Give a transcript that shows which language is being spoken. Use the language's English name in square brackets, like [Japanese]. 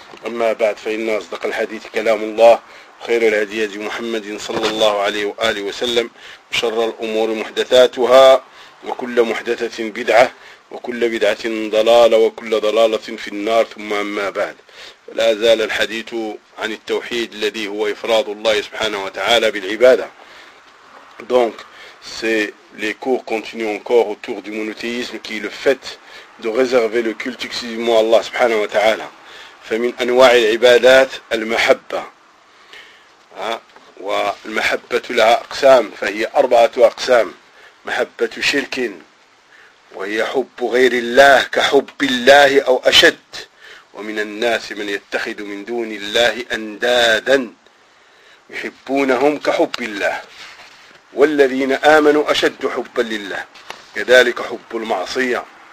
[Arabic] أما بعد، فإن أصدق الحديث كلام الله، خير الهدي هدي محمد صلى الله عليه وآله وسلم، وشر الأمور محدثاتها، وكل محدثة بدعة، وكل بدعة ضلالة، وكل ضلالة في النار. ثم أما بعد، لا زال الحديث عن التوحيد الذي هو إفراد الله سبحانه وتعالى بالعبادة. [French] Donc, les cours continuent encore autour du monothéisme, qui est le fait de réserver le culte exclusivement à Allah subhanahu wa ta'ala. [Arabic] فمن أنواع العبادات المحبة. والمحبة لها أقسام، فهي أربعة أقسام: محبة شرك، وهي حب غير الله كحب الله أو أشد، ومن الناس من يتخذ من دون الله أندادا يحبونهم كحب الله، والذين آمنوا أشد حبا لله، كذلك حب المعصية،